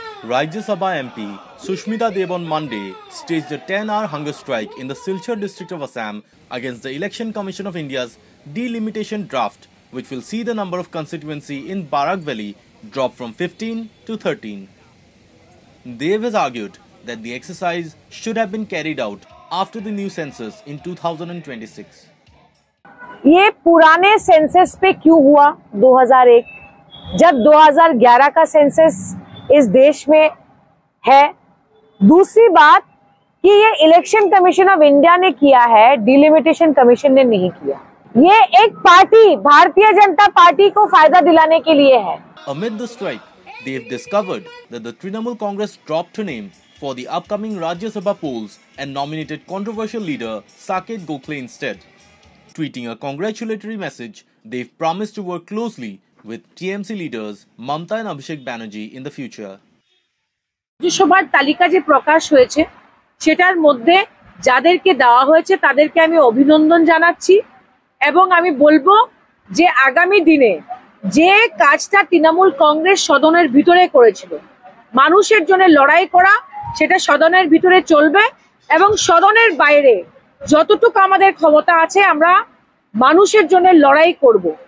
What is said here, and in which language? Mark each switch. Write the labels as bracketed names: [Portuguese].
[English] Rajyasabha MP Sushmita Deb on Monday staged a 10-hour hunger strike in the Silchar district of Assam against the Election Commission of India's delimitation draft, which will see the number of constituency in Barak Valley drop from 15 to 13. Dev has argued that the exercise should have been carried out after the new census in 2026. [Hindi] ये पुराने census पे क्यों हुआ 2001 जब 2011 का census इस देश में है. दूसरी बात कि ये इलेक्शन कमीशन ऑफ इंडिया ने किया है, डिलिमिटेशन कमीशन ने नहीं किया. ये एक पार्टी भारतीय जनता पार्टी को फायदा दिलाने के लिए है. [English] Amid the strike, they have discovered that the Trinamool Congress dropped her name for the upcoming Rajya Sabha polls and nominated controversial leader Saket Gokhale instead. Tweeting a congratulatory message, they've promised to work closely with TMC leaders Mamata and Abhishek Banerjee in the future. [Bangla] রাজ্যসভার তালিকা যে প্রকাশ হয়েছে সেটার মধ্যে যাদেরকে দেওয়া হয়েছে তাদেরকে আমি অভিনন্দন জানাচ্ছি এবং আমি বলবো যে আগামী দিনে যে কাজটা তৃণমূল কংগ্রেস সদনের ভিতরে করেছিল, মানুষের জন্য লড়াই করা, সেটা সদনের ভিতরে চলবে এবং সদনের বাইরে যতটুকু আমাদের ক্ষমতা আছে আমরা মানুষের জন্য লড়াই করব.